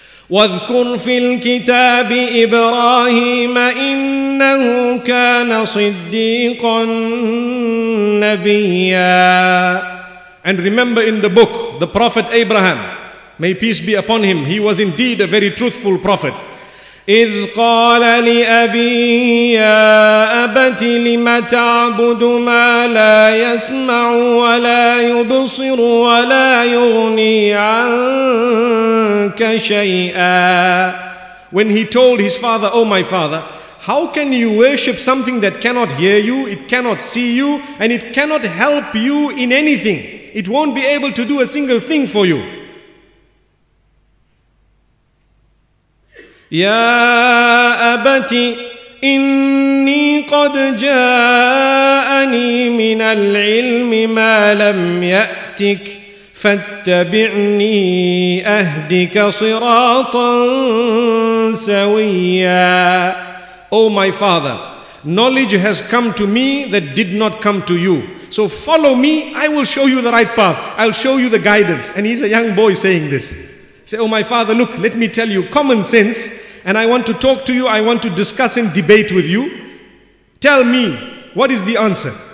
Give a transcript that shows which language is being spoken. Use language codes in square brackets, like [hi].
[ar] وَاذْكُرْ فِي الْكِتَابِ إِبْرَاهِيمَ إِنَّهُ كَانَ صِدِّيقًا نَبِيًّا. [en] And remember in the book, the Prophet Abraham, may peace be upon him, he was indeed a very truthful prophet. [ar] إذ قال لأبيه يا أبت لم تعبد ما لا يسمع ولا يبصر ولا يغني عنك شيئا. [en] When he told his father, Oh my father, how can you worship something that cannot hear you, it cannot see you, and it cannot help you in anything? It won't be able to do a single thing for you. [ar] يا أبت إني قد جاءني من العلم ما لم يأتك فاتبعني أهدك صراطا سويا. [en] Oh my father, knowledge has come to me that did not come to you. So follow me, I will show you the right path. I'll show you the guidance. And he's a young boy saying this. Say, oh my father, look, let me tell you common sense. And I want to talk to you, I want to discuss and debate with you. Tell me, what is the answer?